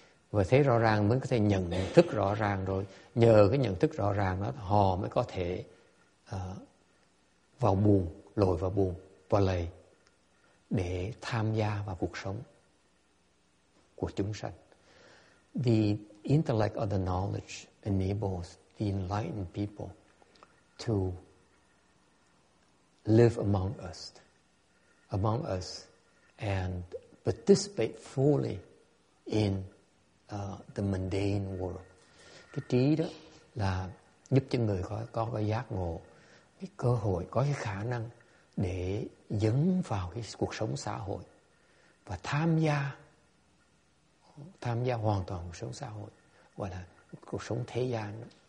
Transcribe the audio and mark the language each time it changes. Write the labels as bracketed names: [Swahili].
[Vietnamese] Và thấy rõ ràng mới có thể nhận thức rõ ràng rồi. Nhờ cái nhận thức rõ ràng đó, họ mới có thể vào buồn, lội vào buồn, vào lầy để tham gia vào cuộc sống của chúng sanh. [English] The intellect or the knowledge enables the enlightened people to live among us, and participate fully in the mundane world. [Vietnamese] Cái trí đó là giúp cho người có cái giác ngộ, cái cơ hội, có cái khả năng để dấn vào cái cuộc sống xã hội và tham gia hoàn toàn cuộc sống xã hội, gọi là cuộc sống thế gian đó.